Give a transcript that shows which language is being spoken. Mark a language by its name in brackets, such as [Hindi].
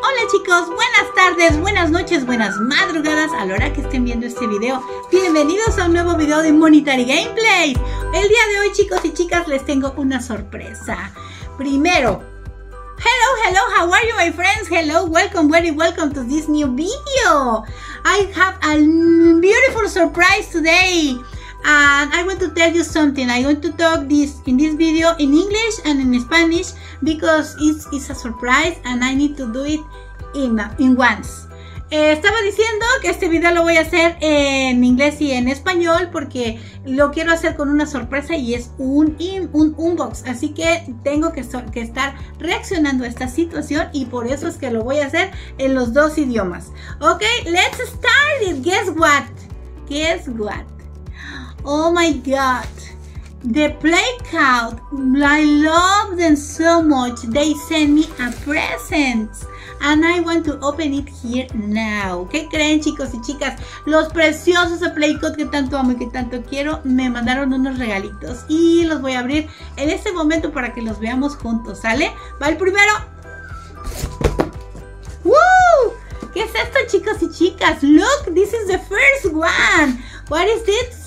[Spanish] chicos, buenas tardes, buenas noches, buenas madrugadas a la hora que estén viendo este video. Bienvenidos a un nuevo video de Monetary Gameplay. El día de hoy, chicos y chicas, les tengo una sorpresa. [English] Primero, hello, hello, how are you, my friends? Hello, welcome, very welcome to this new video. I have a beautiful surprise today. And I want to tell you something. I want to talk this in this video in English and in Spanish because it's a surprise and I need to do it in once. [Spanish] Estaba diciendo que este video lo voy a hacer en inglés y en español porque lo quiero hacer con una sorpresa y es un unbox. Así que tengo que estar reaccionando a esta situación y por eso es que lo voy a hacer en los dos idiomas. [English] Ok, let's start it. Guess what? Oh my god, the Playcout, I love them so much. They sent me a present and I want to open it here now. [Spanish] ¿Qué creen, chicos y chicas? Los preciosos de Playcout que tanto amo y que tanto quiero me mandaron unos regalitos y los voy a abrir en este momento para que los veamos juntos, ¿sale? Va el primero. [English] ¡Woo! [Spanish] ¿Qué es esto, chicos y chicas? [English] Look, this is the first one. What is it?